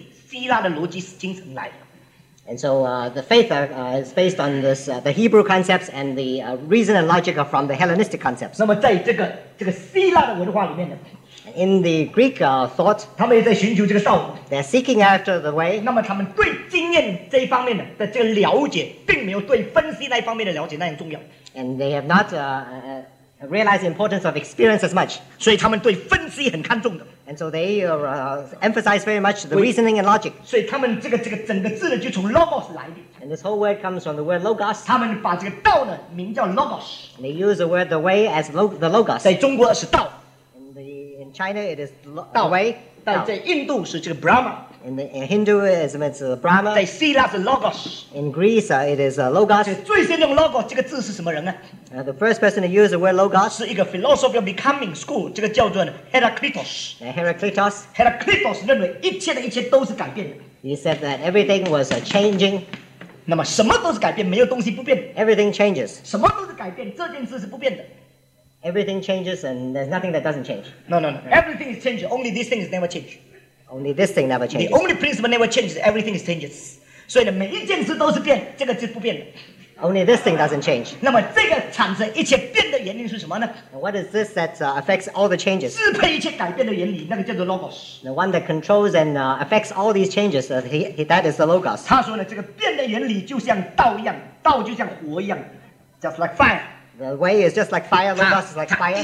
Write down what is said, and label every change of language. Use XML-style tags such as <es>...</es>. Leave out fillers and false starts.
<zh>所以这样整个西方呢，它的信仰是根据希伯来人的文化，它的科学的研究是根据希腊的逻辑精神来的。</zh> <en>And so the faith is based on this the Hebrew concepts and the reason and logic are from the Hellenistic concepts.</en> <zh>那么在这个希腊的文化里面呢，</zh> <en>in the Greek thought,</en> <zh>他们也在寻求这个道路。</zh> <en>They're seeking after the way.</en> <zh>那么他们对经验这一方面的这个了解，并没有对分析那一方面的了解那样重要。</zh> <en>And they have not realize the importance of experience as much. And so they emphasize very much the reasoning and logic. And this whole word comes from the word logos. And they use the word the way as the logos. China, it is the way.</en> <zh>在印度是这个 Brahma.</zh> <en>In Hinduism, it's Brahma.</en> <zh>在希腊,</zh> <en>the logos. In Greece, it is logos.</en> <zh>最先用 logos 这个字是什么人呢?</zh> <en>The first person to use the word logos</en> <zh>是一个</zh> <en>philosophy of becoming school.</en> <zh>这个叫做 Heraclitus.</zh> <en>Heraclitus.</en> <zh>Heraclitus 认为一切的一切都是改变的.</zh> <en>He said that everything was changing.</en> <zh>那么什么都是改变, 没有东西不变.</zh> <en>Everything changes.</en> <zh>什么都是改变, 这件事是不变的.</zh> <en>Everything changes and there's nothing that doesn't change. No. Yeah. Everything is changing. Only this thing is never changed. Only this thing never changes. The only principle never changes. Everything is changes.</en> <zh>所以呢,每一件事都是变,这个是不变的。</zh> <en>Only this thing doesn't change.</en> <zh>那么这个产生一切变的原因是什么呢?</zh> <en>And what is this that affects all the changes?</en> <zh>支配一切改变的原理, 那个叫做logos.</zh> <en>The one that controls and affects all these changes, that is the logos.</en> <zh>他说呢,这个变的原理就像道一样,道就像火一样,</zh> <en>just like fire. The way is just like fire, logos is like fire.</en>